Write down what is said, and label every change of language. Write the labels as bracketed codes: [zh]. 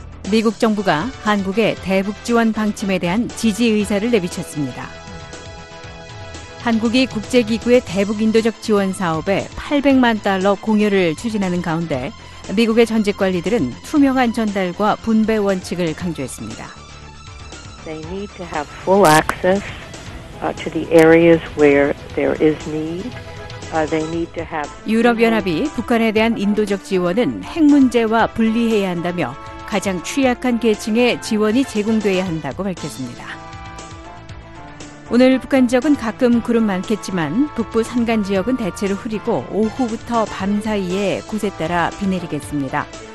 [ko] 미국 정부가 한국의 대북 지원 방침에 대한 지지 의사를 내비쳤습니다. 한국이 국제기구의 대북 인도적 지원 사업에 800만 달러 공여를 추진하는 가운데 미국의 전직 관리들은 투명한 전달과 분배 원칙을 강조했습니다. [en] They need to have full access to the areas where there is need. They need to have [ko] 유럽연합이 북한에 대한 인도적 지원은 핵 문제와 분리해야 한다며 가장 취약한 계층에 지원이 제공돼야 한다고 밝혔습니다. 오늘 북한 지역은 가끔 구름 많겠지만 북부 산간 지역은 대체로 흐리고 오후부터 밤 사이에 곳에 따라 비 내리겠습니다.